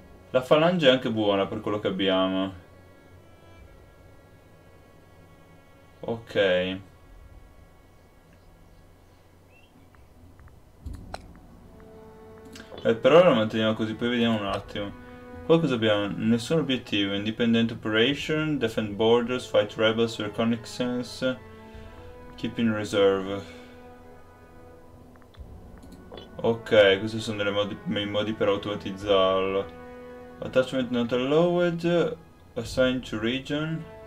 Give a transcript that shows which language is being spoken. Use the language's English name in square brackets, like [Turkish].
[Italian] La falange è anche buona per quello che abbiamo. Ok. Per ora lo manteniamo così, poi vediamo un attimo. Qua cosa abbiamo? Nessun obiettivo. [English] Independent operation, defend borders, fight rebels, reconnaissance, keep in reserve. [Italian] Ok, questi sono i modi per automatizzarlo. [English] Attachment not allowed, assign to region.